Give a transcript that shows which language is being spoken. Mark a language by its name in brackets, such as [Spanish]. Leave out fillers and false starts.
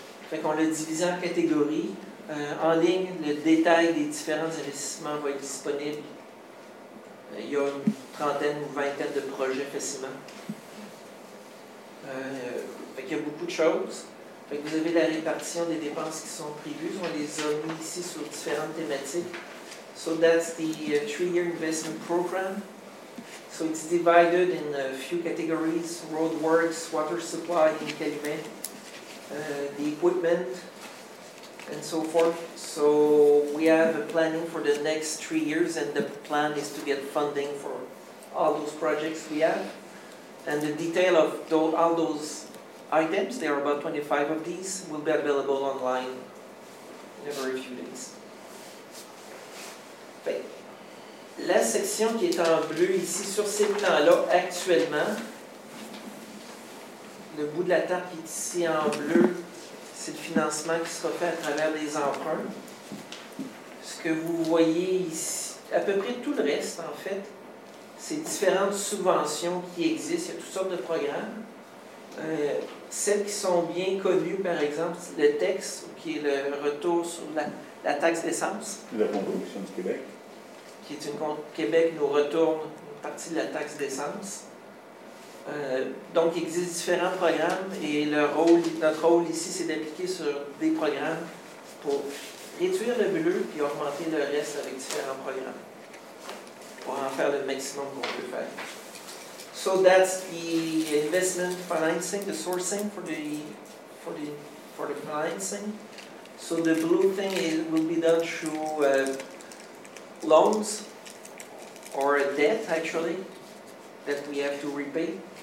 [French] Fait qu'on l'a divisé en catégories. En ligne, le détail des différents investissements va être disponible. Il y a une trentaine ou vingtaine de projets facilement. Fait qu'il y a beaucoup de choses. Fait que vous avez la répartition des dépenses qui sont prévues. On les a mis ici sur différentes thématiques. [English] So that's the three-year investment program. So it's divided in a few categories. Roadworks, water supply, in Calumet, the equipment, and so forth. So we have a planning for the next 3 years, and the plan is to get funding for all those projects we have. And the detail of all those items, there are about 25 of these, will be available online in a very few days. [French] Fait. La section qui est en bleu ici, sur ces plans-là, actuellement, le bout de la table qui est ici en bleu, c'est le financement qui sera fait à travers les emprunts. Ce que vous voyez ici, à peu près tout le reste, en fait, c'est différentes subventions qui existent. Il y a toutes sortes de programmes. Celles qui sont bien connues, par exemple, le TEX, qui est le retour sur la taxe d'essence. La contribution du Québec. Qui est une Québec nous retourne une partie de la taxe d'essence. Donc, il existe différents programmes et notre rôle ici, c'est d'appliquer sur des programmes pour réduire le bleu puis augmenter le reste avec différents programmes. Pour en faire le maximum qu'on peut faire. [English] So that's the investment financing, the sourcing for the financing. So the blue thing will be done through loans or a debt, actually, that we have to repay.